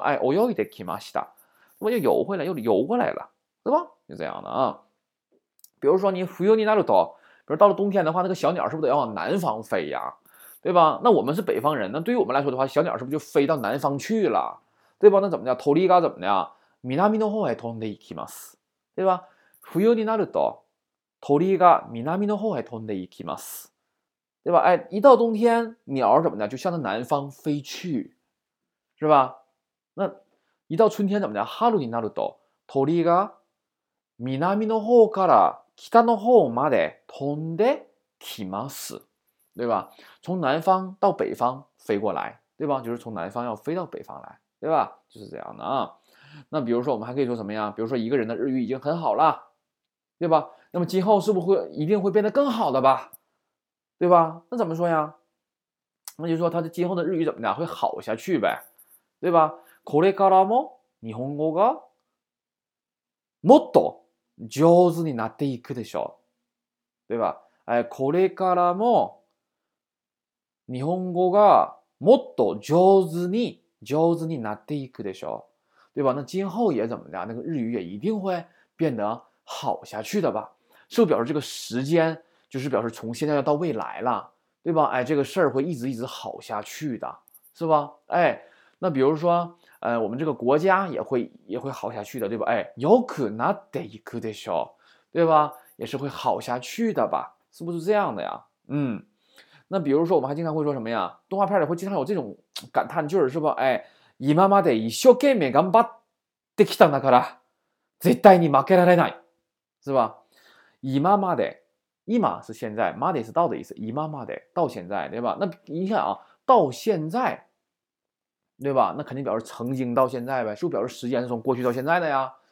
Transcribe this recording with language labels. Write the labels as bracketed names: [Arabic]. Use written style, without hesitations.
[Chinese] 哎，哦哟，一得起嘛，是的，那么又游回来，又游过来了，对吧？就这样的啊。比如说你浮游你哪里走？比如到了冬天的话，那个小鸟是不是得要往南方飞呀、啊？对吧？那我们是北方人，那对于我们来说的话，小鸟是不是就飞到南方去了？对吧？那怎么的？鳥が怎么的？ [Japanese] 南の方へ飛んでいきます。对吧？冬になると鳥が南の方へ飛んでいきます。 [Chinese] 对吧？哎，一到冬天，鸟怎么的就向着南方飞去，是吧？那一到春天怎么的？ [Japanese] 春になると鳥が南の方から北の方まで飛んできます。 [Chinese] 对吧？从南方到北方飞过来，对吧？就是从南方要飞到北方来，对吧？就是这样的啊。那比如说，我们还可以说什么呀？比如说，一个人的日语已经很好了，对吧？那么今后是不是会一定会变得更好的吧？对吧？那怎么说呀？那就是说他的今后的日语怎么的会好下去呗，对吧？ [Japanese] これからも日本語がもっと上手になっていくでしょう，对吧？ [Chinese] 哎， [Japanese] これからも日本語がもっと上手になっていくでしょう， [Chinese] 对吧？那今后也怎么的，那个日语也一定会变得好下去的吧？是不是表示这个时间就是表示从现在要到未来了，对吧？哎，这个事儿会一直好下去的，是吧？哎，那比如说，我们这个国家也会好下去的，对吧？ [Japanese] 哎，よくなっていくでしょう，对吧？ [Chinese] 也是会好下去的吧？是不是这样的呀？那比如说我们还经常会说什么呀，动画片里会经常有这种感叹句，是吧？ [Japanese] 哎，今まで一生懸命頑張ってきたんだから絶対に負けられない，是吧？ [Chinese] 今まで，今是现在，まで是到的意思，今まで到现在，对吧？那你看啊，到现在，对吧？那肯定表示曾经到现在呗，是不是表示时间是从过去到现在的呀？